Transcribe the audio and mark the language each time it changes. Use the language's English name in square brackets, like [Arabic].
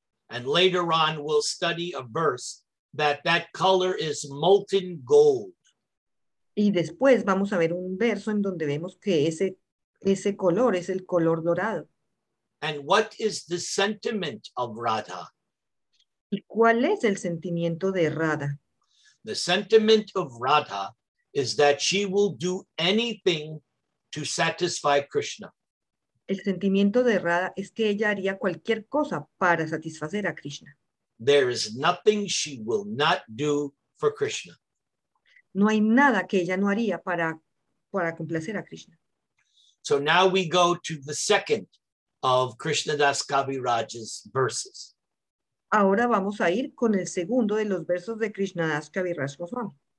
[English] And later on we'll study a verse that color is molten gold. [Spanish] Y después vamos a ver un verso en donde vemos que ese color es el color dorado. [English] And what is the sentiment of Radha? [Spanish] ¿Y cuál es el sentimiento de Radha? [English] The sentiment of Radha is that she will do anything to satisfy Krishna. [Spanish] El sentimiento de Radha es que ella haría cualquier cosa para satisfacer a Krishna. [English] There is nothing she will not do for Krishna. [Spanish] No hay nada que ella no haría para complacer a Krishna. [English] So now we go to the second of Krishnadas Kaviraj's verses. [Spanish] Ahora vamos a ir con el segundo de los versos de Krishnadas Kaviraj Goswami.